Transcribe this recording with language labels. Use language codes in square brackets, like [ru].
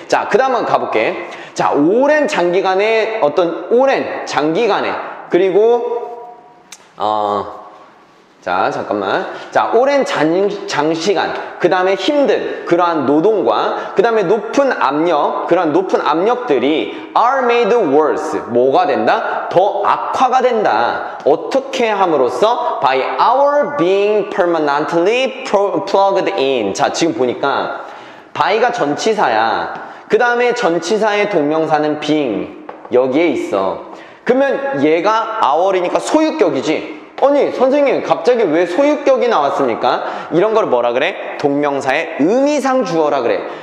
[ko] 자, 그 다음 한번 가볼게. 자, 오랜 장기간의 어떤 오랜 장기간의 그리고 자, 잠깐만. 자, 오랜 장시간, 그 다음에 힘든 그러한 노동과 그 다음에 높은 압력, 그러한 높은 압력들이 [en] are made worse. [ko] 뭐가 된다? 더 악화가 된다. 어떻게 함으로써? [en] By our being permanently plugged in. [ko] 자, 지금 보니까 by가 전치사야. 그 다음에 전치사의 동명사는 being. 여기에 있어. 그러면 얘가 our이니까 소유격이지. 아니 선생님 갑자기 왜 소유격이 나왔습니까? 이런 걸 뭐라 그래? 동명사의 의미상 주어라 그래.